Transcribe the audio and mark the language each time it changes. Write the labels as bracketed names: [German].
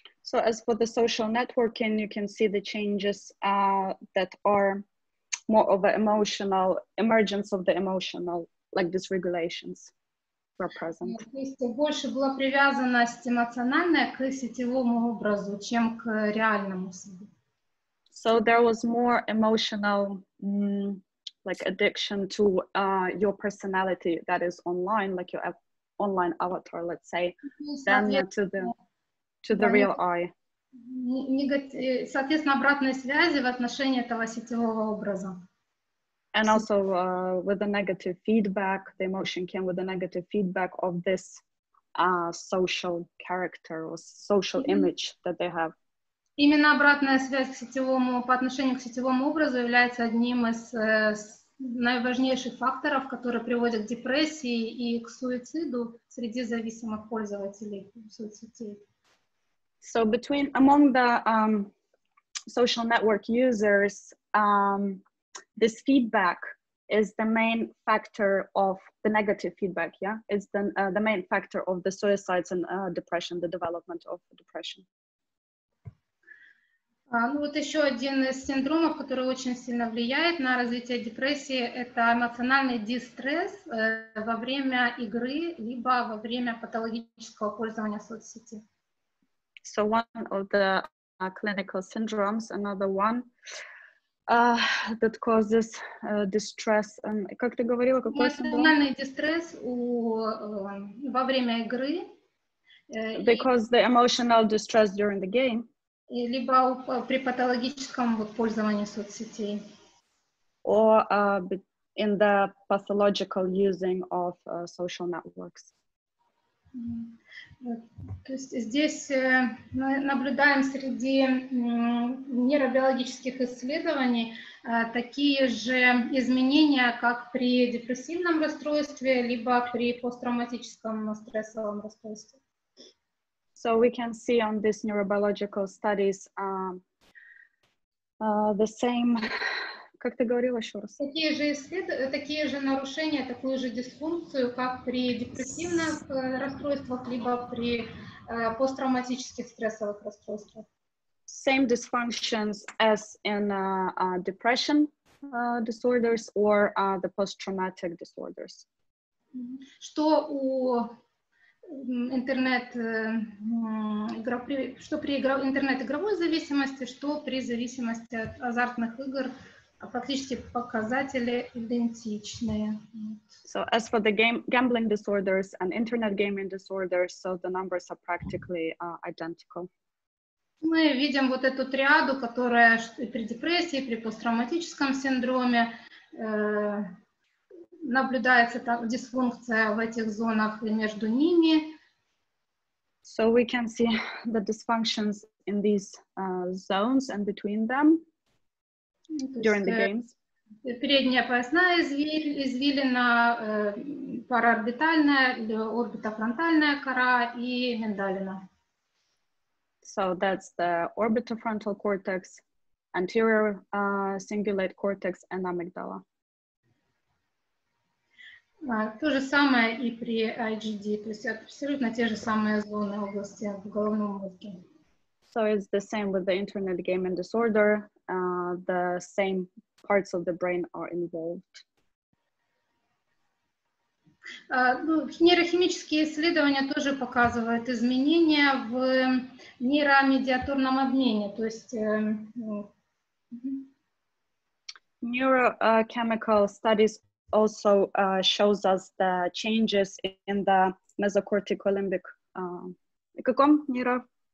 [English] So as for the social networking, you can see the changes that are more of an emotional, emergence of the emotional, like dysregulations were present. [Russian] Больше была привязанность эмоциональная к сетевому образу, чем к реальному. [English] So there was more emotional, like addiction to your personality that is online, like your online avatar, let's say, than to the real eye. [Russian] Соответственно, обратной связи в отношении этого сетевого образа. [English] And also with the negative feedback, the emotion came with the negative feedback of this social character or social image that they have. [Russian] Именно обратная связь к сетевому, по отношению к сетевому образу является одним из наиважнейших факторов, которые приводят к депрессии и к суициду среди зависимых пользователей соцсетей. [English] So between among the social network users, this feedback is the main factor of the negative feedback. Yeah, it's the main factor of the suicides and depression, the development of depression. [Russian] Ну вот еще один из синдромов, который очень сильно влияет на развитие депрессии, это эмоциональный дистресс во время игры либо во время патологического пользования соцсети. [English] So one of the clinical syndromes, another one that causes distress. [Russian] Как ты говорила, какой синдром? Эмоциональный дистресс во время игры. [English] Because the emotional distress during the game. [Russian] Либо при патологическом пользовании соцсетей. [English] Or in the pathological using of social networks. [Russian] То есть здесь мы наблюдаем среди нейробиологических исследований такие же изменения, как при депрессивном расстройстве, либо при посттравматическом стрессовом расстройстве. [English] So we can see on these neurobiological studies the same, [Russian] как ты говорил еще раз? Такие же нарушения, такую же дисфункцию, как при депрессивных расстройствах, либо при посттравматических стрессовых расстройствах. [English] Same dysfunctions as in depression disorders or the post-traumatic disorders. [Russian] Что у... интернет игра при что при игра интернет-игровой зависимости, что при зависимости от азартных игр, фактически показатели идентичные. [English] So as for the gambling disorders and internet gaming disorders, so the numbers are practically identical. [Russian] Мы видим вот эту триаду, которая и при депрессии, и при посттравматическом синдроме наблюдается там дисфункция в этих зонах и между ними. [English] So we can see the dysfunctions in these zones and between them during the games. [Russian] Передняя поясная извилина, параорбитальная, орбитофронтальная кора и миндалина. [English] So that's the orbitofrontal cortex, anterior cingulate cortex and amygdala. [Russian] То же самое и при IGD, то есть абсолютно те же самые зоны области в головном мозге. [English] So it's the same with the internet gaming disorder, the same parts of the brain are involved. [Russian] Нейрохимические исследования тоже показывают изменения в нейромедиаторном обмене, то есть... [English] Neurochemical studies also shows us the changes in the mesocortico-limbic [Russian] каком нейро?